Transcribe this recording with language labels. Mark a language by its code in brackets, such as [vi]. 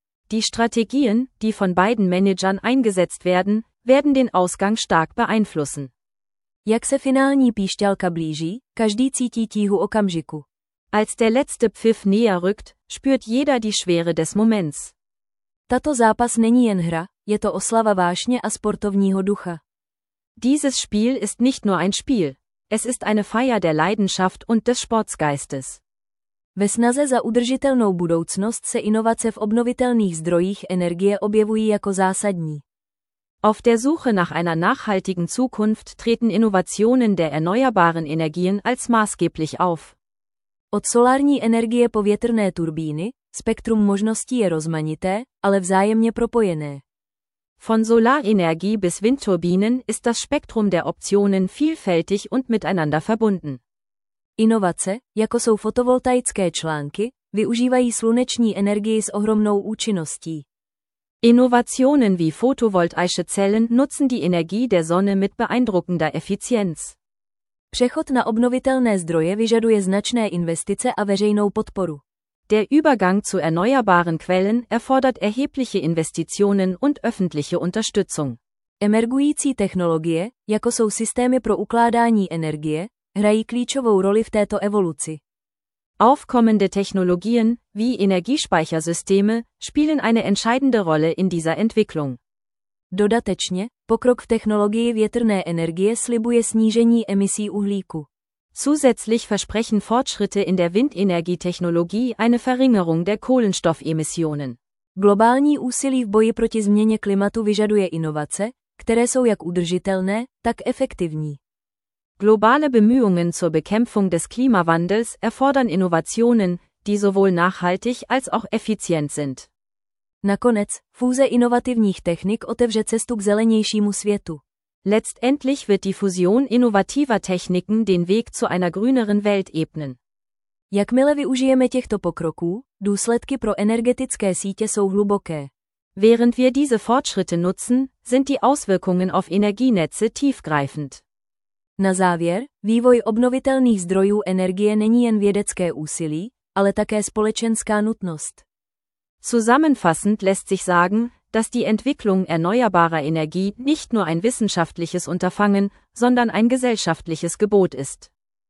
[de] Die Strategien, die von beiden Managern eingesetzt werden, werden den Ausgang stark beeinflussen. [cs] Jak se finální píšťalka blíží, každý cítí tíhu okamžiku. [de] Als der letzte Pfiff näher rückt, spürt jeder die Schwere des Moments. [cs] Tato zápas není jen hra, je to oslava vášně a sportovního ducha. [de] Dieses Spiel ist nicht nur ein Spiel. Es ist eine Feier der Leidenschaft und des Sportsgeistes. [cs] Ve snaze za udržitelnou budoucnost se inovace v obnovitelných zdrojích energie objevují jako zásadní. [de] Auf der Suche nach einer nachhaltigen Zukunft treten Innovationen der erneuerbaren Energien als maßgeblich auf. [cs] Od solární energie po větrné turbíny, spektrum možností je rozmanité, ale vzájemně propojené. [de] Von Solarenergie bis Windturbinen ist das Spektrum der Optionen vielfältig und miteinander verbunden. [cs] Inovace, jako jsou fotovoltaické články, využívají sluneční energii s ohromnou účinností. [de] Innovationen wie photovoltaische Zellen nutzen die Energie der Sonne mit beeindruckender Effizienz. [cs] Přechod na obnovitelné zdroje vyžaduje značné investice a veřejnou podporu. [de] Der Übergang zu erneuerbaren Quellen erfordert erhebliche Investitionen und öffentliche Unterstützung. [cs] Emergující technologie, jako jsou systémy pro ukládání energie, hrají klíčovou roli v této evoluci. [de] Aufkommende Technologien, wie Energiespeichersysteme, spielen eine entscheidende Rolle in dieser Entwicklung. [cs] Dodatečně, pokrok v technologii větrné energie slibuje snížení emisí uhlíku. [de] Zusätzlich versprechen Fortschritte in der Windenergietechnologie eine Verringerung der Kohlenstoffemissionen. [cs] Globální úsilí v boji proti změně klimatu vyžaduje inovace, které jsou jak udržitelné, tak efektivní. [de] Globale Bemühungen zur Bekämpfung des Klimawandels erfordern Innovationen, die sowohl nachhaltig als auch effizient sind. [cs] Nakonec, fúze inovativních technik otevře cestu k zelenějšímu světu. [de] Letztendlich wird die Fusion innovativer Techniken den Weg zu einer grüneren Welt ebnen. [cs] Jakmile využijeme těchto pokroků, důsledky pro energetické sítě jsou hluboké. [de] Während wir diese Fortschritte nutzen, sind die Auswirkungen auf Energienetze tiefgreifend. [cs] Na závěr, vývoj obnovitelných zdrojů energie není jen vědecké úsilí, ale také společenská nutnost. [de] Zusammenfassend lässt sich sagen, dass die Entwicklung erneuerbarer Energie nicht nur ein wissenschaftliches Unterfangen, sondern ein gesellschaftliches Gebot ist.